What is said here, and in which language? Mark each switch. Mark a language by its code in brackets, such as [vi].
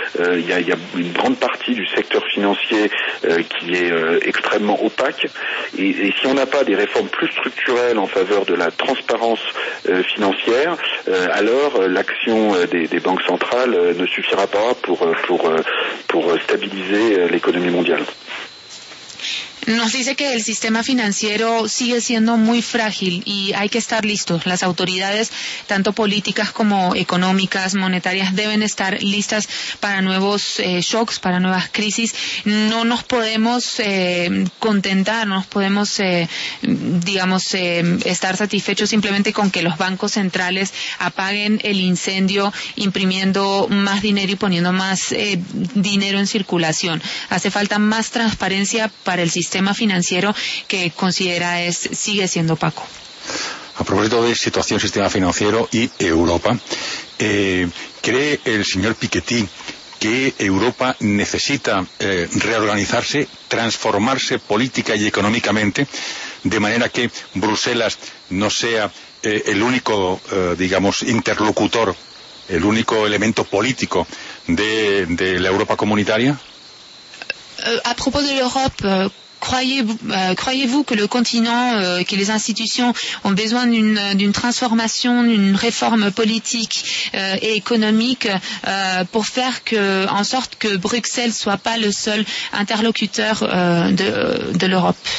[fr] Il y a une grande partie du secteur financier qui est extrêmement opaque. Et si on n'a pas des réformes plus structurelles en faveur de la transparence financière, alors l'action des banques centrales ne suffira pas pour pour stabiliser l'économie mondiale. [es] Nos dice que el sistema financiero sigue siendo muy frágil y hay que estar listos. Las autoridades, tanto políticas como económicas, monetarias, deben estar listas para nuevos shocks, para nuevas crisis. No nos podemos contentar, no nos podemos, estar satisfechos simplemente con que los bancos centrales apaguen el incendio imprimiendo más dinero y poniendo más dinero en circulación. Hace falta más transparencia para el sistema financiero que considera es sigue siendo opaco. A propósito de situación, sistema financiero y Europa, ¿cree el señor Piketty que Europa necesita reorganizarse, transformarse política y económicamente, de manera que Bruselas no sea el único, interlocutor, el único elemento político de la Europa comunitaria? A propósito de Europa, [fr] Croyez-vous que le continent, que les institutions ont besoin d'une transformation, d'une réforme politique et économique pour faire que, en sorte que Bruxelles soit pas le seul interlocuteur de l'Europe?